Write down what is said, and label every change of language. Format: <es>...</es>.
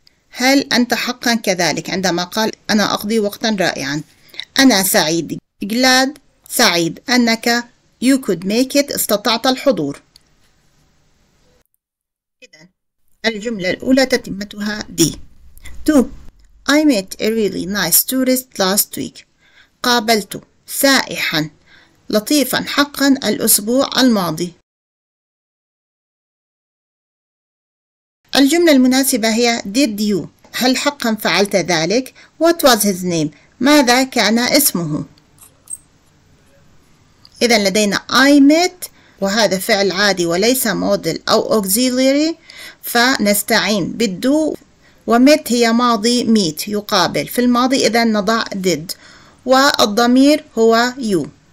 <ar>هل أنت حقا كذلك؟ عندما قال أنا أقضي وقتا رائعا، أنا سعيد.</ar> <en>glad</en> <ar>سعيد أنك</ar> <en>You could make it</en> <ar>استطعت الحضور. إذن الجملة الأولى تتمتها دي.</ar> <en>2 I met a really nice tourist last week.</en> <ar>قابلت سائحا لطيفا حقا الأسبوع الماضي. الجملة المناسبة هي</ar> <en>Did you؟</en> <ar>هل حقا فعلت ذلك؟</ar> <en>What was his name؟</en> <ar>ماذا كان اسمه؟ إذا لدينا</ar> <en>I met</en> <ar>وهذا فعل عادي وليس modal أو auxiliary، فنستعين بالdo وmet هي ماضي meet يقابل في الماضي، إذا نضع did والضمير هو you.</ar>